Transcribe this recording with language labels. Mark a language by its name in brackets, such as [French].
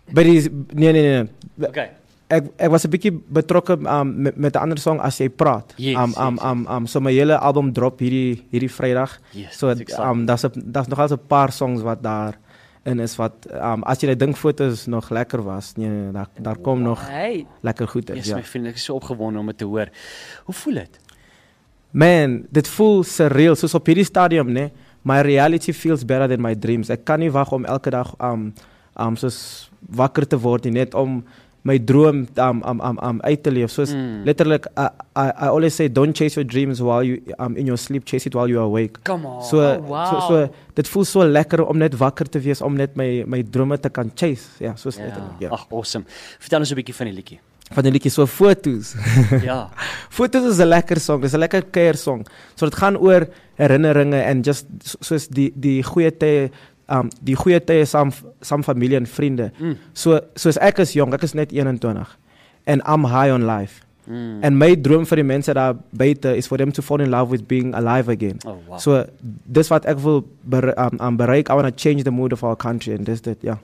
[Afrikaans] Nee. Okay. Ek was 'n bietjie betrokke met 'n ander song as jy praat. [English] Yes, [Afrikaans] so my hele album drop hierdie Vrydag. [English] Yes, [Afrikaans] so daar's nog al 'n paar songs wat daar in is wat as jy dink foto's nog lekker was. Daar kom nog lekker goed uit. Yes, ja. My vriend, ek is so opgewonde om dit te hoor. Hoe voel dit? Man, dit voel surreal soos op hierdie stadium, né? [English] My reality feels better than my dreams. [Afrikaans] Ek kan nie wag om elke dag soos wakker te word nie, net om my droom uit te leef. Soos letterlik, [English] I always say, don't chase your dreams while you in your sleep, chase it while you are awake. Come on, [Afrikaans] So, dit voel so lekker om net wakker te wees, om net my drome te kan chase. Ja, soos letterlik. Ja. Ach, awesome. Vertel ons 'n bietjie van die liedjie. Van die liedjie, so Fotos. Ja. Fotos is 'n lekker song, dis 'n lekker keier song. So dit gaan oor herinneringe en just soos die goeie tye, die goeie tye saam familie en vriende. Mm. Soos ek is jong, ek is net 21 [English] and I'm high on life. And my [Afrikaans] droom vir die mense daar buite is [English] for them to fall in love with being alive again. Oh, wow. [Afrikaans] So dis wat ek wil bereik. [English] I want to change the mood of our country and this that, yeah.